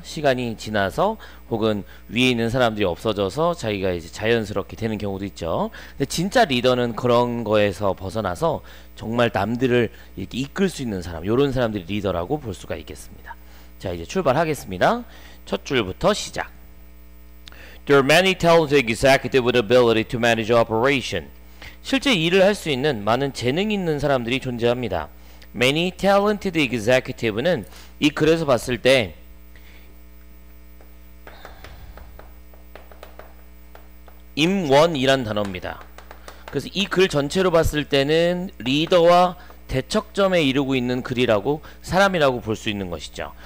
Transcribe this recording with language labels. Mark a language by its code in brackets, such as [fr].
[ko] 시간이 지나서 혹은 위에 있는 사람들이 없어져서 자기가 이제 자연스럽게 되는 경우도 있죠. 근데 진짜 리더는 그런 거에서 벗어나서 정말 남들을 이렇게 이끌 수 있는 사람, 이런 사람들이 리더라고 볼 수가 있겠습니다. 자, 이제 출발하겠습니다. 첫 줄부터 시작. [en] There are many talented executives with ability to manage operation. [ko] 실제 일을 할 수 있는 많은 재능 있는 사람들이 존재합니다. [en] Many talented executive [ko] 는 이 글에서 봤을 때 임원이란 단어입니다. 그래서 이 글 전체로 봤을 때는 리더와 대척점에 이르고 있는 글이라고 사람이라고 볼 수 있는 것이죠.